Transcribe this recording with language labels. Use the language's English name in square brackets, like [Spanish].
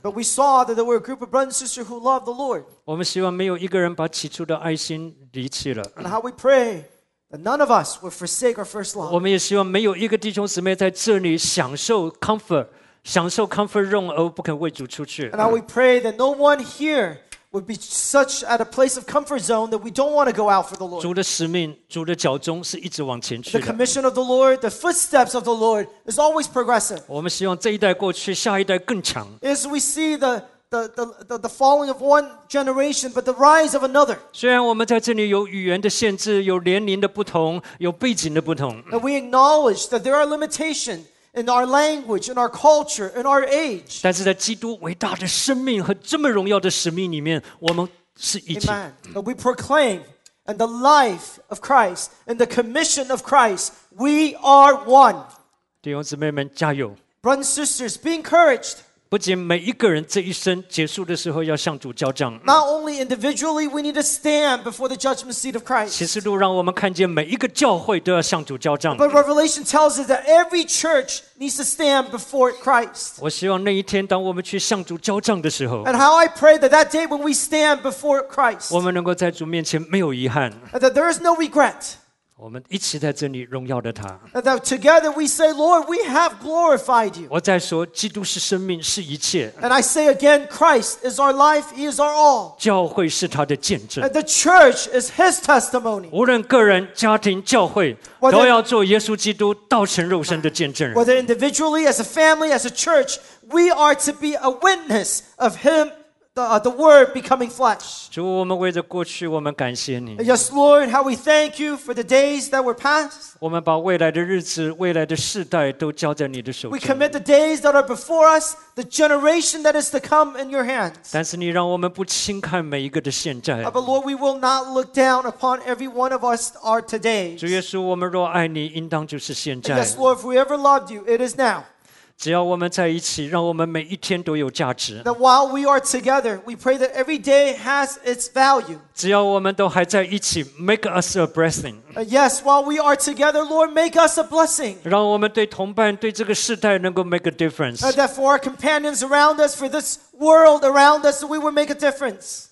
[English] But we saw that there were a group of brothers and sisters who loved the Lord. [Chinese] 我们希望没有一个人把起初的爱心离弃了。 [English] And how we pray that none of us would forsake our first love. [Chinese] 我们也希望没有一个弟兄姊妹在这里享受 comfort。享受 comfort zone 而不肯为主出去。 [English] And now we pray that no one here would be such at a place of comfort zone that we don't want to go out for the Lord. [Chinese] 主的使命，主的脚踪是一直往前去的。 [English] The commission of the Lord, the footsteps of the Lord is always progressive. [Chinese] 我们希望这一代过去，下一代更强。 [English] As we see the falling of one generation, but the rise of another. [Chinese] 虽然我们在这里有语言的限制，有年龄的不同，有背景的不同。 [English] And we acknowledge that there are limitations. In our language, in our culture, in our age. [Chinese] 但是在基督伟大的生命和这么荣耀的使命里面，我们是一体。 [English] Amen. But we proclaim, and the life of Christ, and the commission of Christ, we are one. [Chinese] 弟兄姊妹们，加油！ [English] Brothers and sisters, be encouraged. [Chinese] 不仅每一个人这一生结束的时候要向主交账。 [English] Not only individually, we need to stand before the judgment seat of Christ. [Chinese] 启示录让我们看见每一个教会都要向主交账。 [English] But Revelation tells us that every church needs to stand before Christ. [Chinese] 我希望那一天当我们去向主交账的时候。 [English] And how I pray that that day when we stand before Christ. [Chinese] 我们能够在主面前没有遗憾。 [English] And that there is no regret. [Chinese] 我们一起在这里荣耀着他。 [English] And that together we say, Lord, we have glorified you. [Chinese] 我在说，基督是生命，是一切。 [English] And I say again, Christ is our life, He is our all. [Chinese] 教会是他的见证。 [English] And the church is His testimony. [Chinese] 无论个人、家庭、教会，都要做耶稣基督道成肉身的见证人。 [English] Whether individually, as a family, as a church, we are to be a witness of Him. The word becoming flesh. [Chinese] 主，我们为着过去，我们感谢你。 [English] Yes, Lord, how we thank you for the days that were past. [Chinese] 我们把未来的日子、未来的世代都交在你的手中。 [English] We commit the days that are before us, the generation that is to come in your hands. [Chinese] 但是你让我们不轻看每一个的现在。 [English] But Lord, we will not look down upon every one of us our today. [Chinese] 主耶稣，我们若爱你，应当就是现在。 [English] Yes, Lord, if we ever loved you, it is now. [Chinese] 只要我们在一起，让我们每一天都有价值。 [English] That while we are together, we pray that every day has its value. [Chinese] 只要我们都还在一起 ， [English] make us a blessing. Yes, while we are together, Lord, make us a blessing. [Chinese] 让我们对同伴、对这个世代能够 [English] make a difference. That for our companions around us, for this world around us, we will make a difference.